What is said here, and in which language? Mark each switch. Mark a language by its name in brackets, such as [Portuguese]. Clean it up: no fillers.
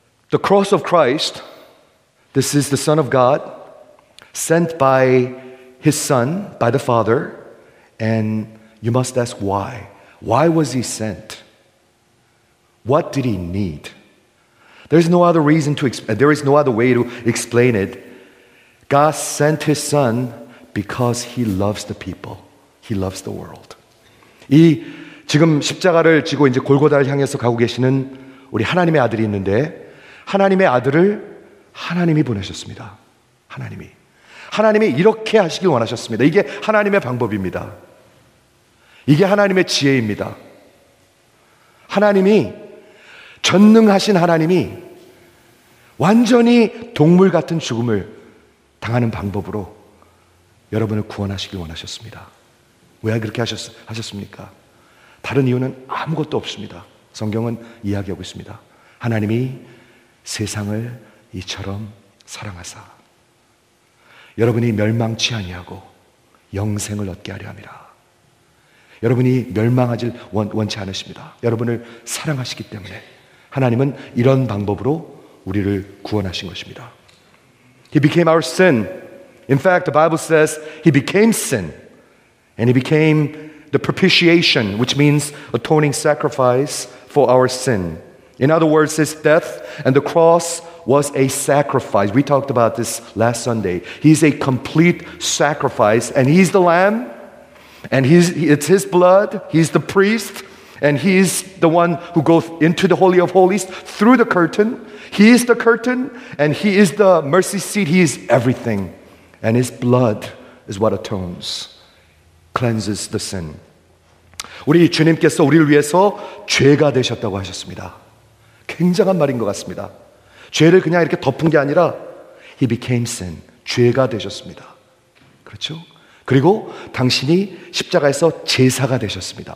[English] The cross of Christ, this is the Son of God, sent by his Son, by the Father, and you must ask why. Why was he sent? What did he need? There is no other way to explain it. God sent his Son because he loves the people. He loves the world. [Korean] 이 지금 십자가를 지고 이제 골고다를 향해서 가고 계시는 우리 하나님의 아들이 있는데 하나님의 아들을 하나님이 보내셨습니다. 하나님이. 하나님이 이렇게 하시길 원하셨습니다. 이게 하나님의 방법입니다. 이게 하나님의 지혜입니다. 하나님이 전능하신 하나님이 완전히 동물 같은 죽음을 당하는 방법으로 여러분을 구원하시길 원하셨습니다. 왜 그렇게 하셨습니까? 다른 이유는 아무것도 없습니다. 성경은 이야기하고 있습니다. 하나님이 세상을 이처럼 사랑하사 여러분이 멸망치 아니하고 영생을 얻게 하려 함이라. 여러분이 멸망하질 원치 않으십니다. 여러분을 사랑하시기 때문에 하나님은 이런 방법으로 우리를 구원하신 것입니다. [English] He became our sin. In fact, the Bible says he became sin. And he became the propitiation, which means atoning sacrifice for our sin. In other words, his death and the cross was a sacrifice. We talked about this last Sunday. He's a complete sacrifice. And he's the lamb. And it's his blood. He's the priest. And he's the one who goes into the Holy of Holies through the curtain. He is the curtain. And he is the mercy seat. He is everything. And his blood is what atones, cleanses the sin. [Korean] 우리 주님께서 우리를 위해서 죄가 되셨다고 하셨습니다. 굉장한 말인 것 같습니다. 죄를 그냥 이렇게 덮은 게 아니라 [English] He became sin, [Korean] 죄가 되셨습니다. 그렇죠? 그리고 당신이 십자가에서 제사가 되셨습니다.